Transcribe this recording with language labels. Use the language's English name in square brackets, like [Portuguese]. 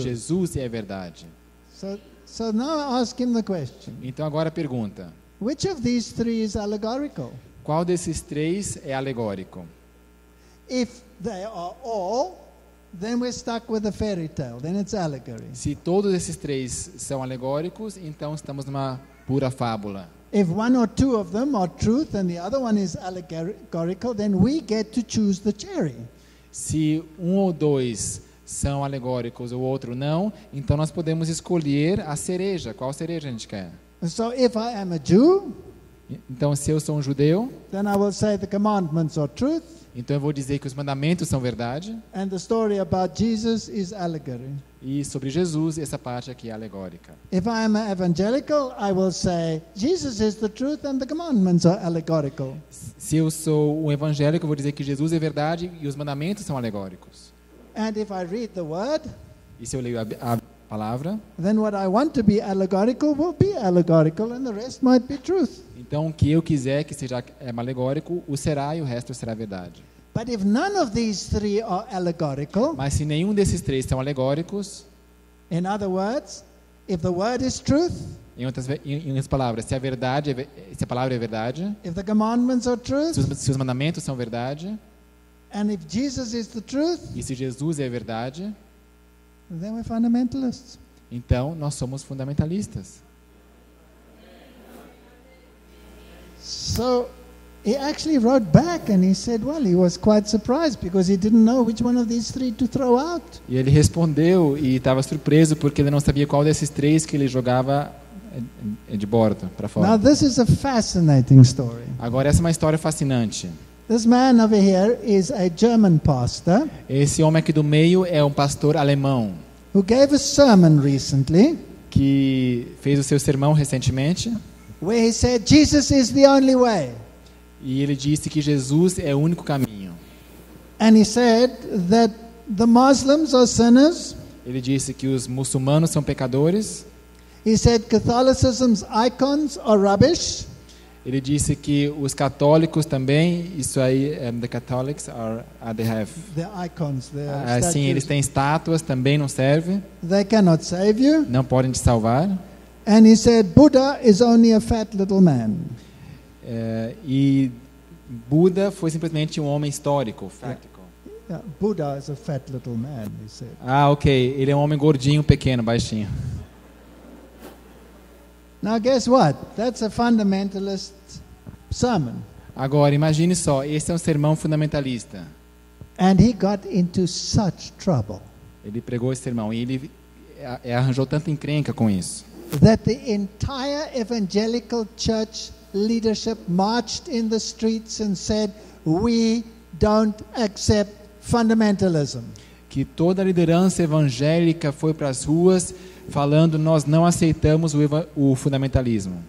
[Portuguese] E Jesus é a verdade. [English] So now I ask him the question. [Portuguese] Então agora a pergunta. [English] Which of these three is allegorical? [Portuguese] Qual desses três é alegórico? [English] If they are all, then we're stuck with a fairy tale. Then it's allegory. [Portuguese] Se todos esses três são alegóricos, então estamos numa pura fábula. [English] If one or two of them are truth and the other one is allegorical, then we get to choose the cherry. [Portuguese] Se um ou dois são alegóricos ou outro não, então nós podemos escolher a cereja. Qual cereja a gente quer? [English] And so if I am a Jew, [Portuguese] então se eu sou um judeu, [English] then I will say the commandments are truth. [Portuguese] Então eu vou dizer que os mandamentos são verdade. [English] And the story about Jesus is allegory. [Portuguese] E sobre Jesus, essa parte aqui é alegórica. [English] If I am evangelical, I will say Jesus is the truth and the commandments are allegorical. [Portuguese] Se eu sou um evangélico, eu vou dizer que Jesus é verdade e os mandamentos são alegóricos. [English] And if I read the word, [Portuguese] e se eu leio a palavra, [English] then what I want to be allegorical will be allegorical and the rest might be truth. [Portuguese] Então o que eu quiser que seja alegórico, o será e o resto será verdade. [English] But if none of these three are allegorical, [Portuguese] mas se nenhum desses três são alegóricos, [English] in other words, if the word is truth, [Portuguese] em outras palavras, se a verdade, se a palavra é verdade, [English] if the commandments are truth, [Portuguese] se os mandamentos são verdade, [English] and if Jesus is the truth, [Portuguese] e se Jesus é a verdade, [English] then we're fundamentalists. [Portuguese] Então nós somos fundamentalistas. [English] So he actually wrote back and he said, well, he was quite surprised because he didn't know which one of these three to throw out. [Portuguese] E ele respondeu e estava surpreso porque ele não sabia qual desses três que ele jogava de bordo para fora. [English] Now this is a fascinating story. [Portuguese] Agora essa é uma história fascinante. [English] This man over here is a German pastor. [Portuguese] Esse homem aqui do meio é um pastor alemão. [English] Who gave a sermon recently? [Portuguese] Que fez o seu sermão recentemente. [English] Where he said Jesus is the only way. [Portuguese] E ele disse que Jesus é o único caminho. [English] And he said that the Muslims are sinners. [Portuguese] Ele disse que os muçulmanos são pecadores. [English] He said Catholicism's icons are rubbish. [Portuguese] Ele disse que os católicos também, isso aí, [English] the Catholics are they have. The icons, the statues. [Portuguese] Sim, eles têm estátuas, também não serve. [English] They cannot save you. [Portuguese] Não podem te salvar. [English] And he said Buddha is only a fat little man. [Portuguese] E Buda foi simplesmente um homem histórico, fático. [English] Buddha is a fat little man, he said. [Portuguese] Ah, ok, ele é um homem gordinho, pequeno, baixinho. [English] Now guess what? That's a fundamentalist sermon. [Portuguese] Agora imagine só, esse é um sermão fundamentalista. [English] And he got into such trouble. [Portuguese] Ele pregou esse sermão e ele arranjou tanta encrenca com isso. [English] That the entire evangelical church leadership marched in the streets and said, "We don't accept fundamentalism." [Portuguese] Que toda a liderança evangélica foi para as ruas falando, nós não aceitamos o fundamentalismo.